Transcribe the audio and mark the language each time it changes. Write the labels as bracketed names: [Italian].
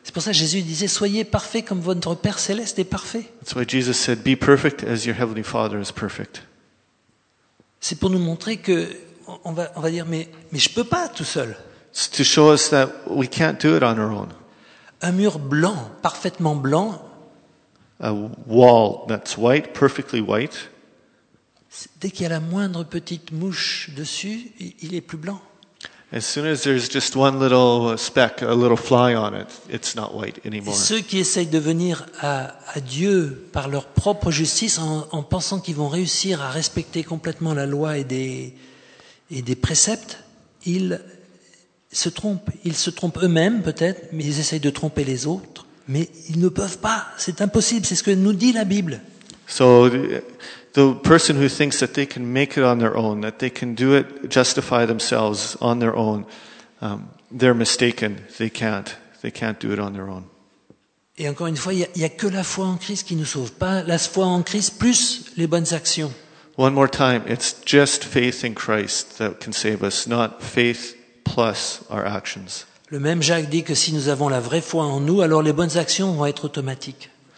[French] C'est pour ça que Jésus disait, soyez parfaits comme votre Père céleste est parfait. [English] That's why Jesus said, be perfect as your heavenly Father is perfect. [French] C'est pour nous montrer que on va dire, mais je peux pas tout seul. [English] It's to show us that we can't do it on our own. [French] Un mur blanc, parfaitement blanc. [English] A wall that's white, perfectly white. [French] Dès qu'il y a la moindre petite mouche dessus, il est plus blanc. [English] As soon as there's just one little speck, a little fly on it, it's not white anymore. [French] Et ceux qui essayent de venir à Dieu par leur propre justice, en pensant qu'ils vont réussir à respecter complètement la loi et des préceptes, ils se trompent eux-mêmes peut-être, mais ils essayent de tromper les autres, mais ils ne peuvent pas, c'est impossible, c'est ce que nous dit la Bible. [English] So the person who thinks that they can make it on their own, that they can do it, justify themselves on their own, they're mistaken, they can't do it on their own. [French] Et encore une fois, il y a que la foi en Christ qui nous sauve, pas la foi en Christ plus les bonnes actions. [English] One more time, it's just faith in Christ that can save us, not faith plus our actions. [French] Le même Jacques dit que si nous avons la vraie foi en nous, alors les bonnes actions vont être automatiques.